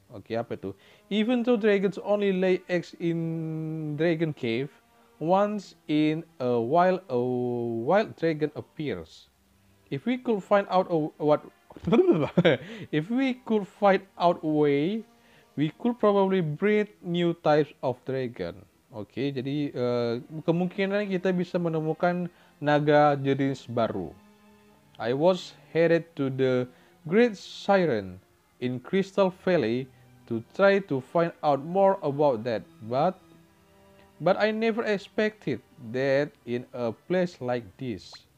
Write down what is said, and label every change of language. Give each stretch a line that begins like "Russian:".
English: Okay,
Indonesian: apa itu?
English: Even though dragons only lay eggs in Dragon Cave, once in a wild dragon appears. If we could find out a way, we could probably breed new types of dragon.
Indonesian: Okay, jadi kemungkinan kita bisa menemukan naga jenis baru.
English: I was headed to the Great Siren in Crystal Valley to try to find out more about that, but I never expected that in a place like this.